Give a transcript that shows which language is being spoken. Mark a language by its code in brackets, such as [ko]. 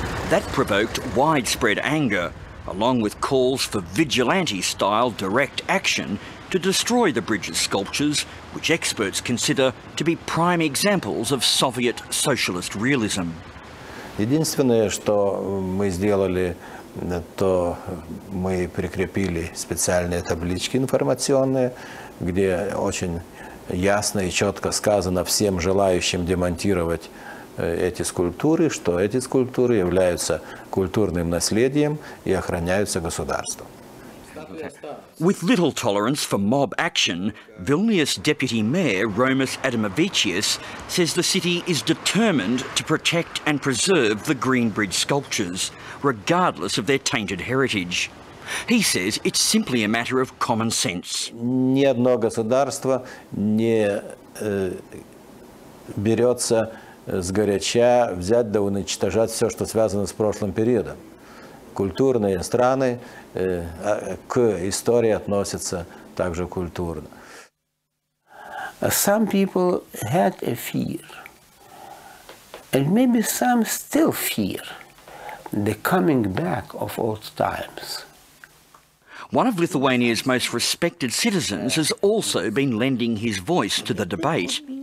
[en] That provoked widespread anger, along with calls for vigilante-style direct action to destroy the bridge's sculptures, which experts consider to be prime examples of Soviet socialist realism. [ru] Единственное, что мы сделали, то мы прикрепили специальные таблички информационные, где очень ясно и четко сказано всем желающим демонтировать эти скульптуры, что эти скульптуры являются культурным наследием и охраняются государством. [en] With little tolerance for mob action, Vilnius deputy mayor Romas Adamovičius says the city is determined to protect and preserve the Green Bridge sculptures, regardless of their tainted heritage. He says it's simply a matter of common sense. [ru] Ни одно государство не берется с горяча взять да уничтожать все, что связано с прошлым периодом. Культурные страны к истории относятся также культурно. [en] Some people had a fear, and maybe some still fear, the coming back of old times. One of Lithuania's most respected citizens has also been lending his voice to the debate.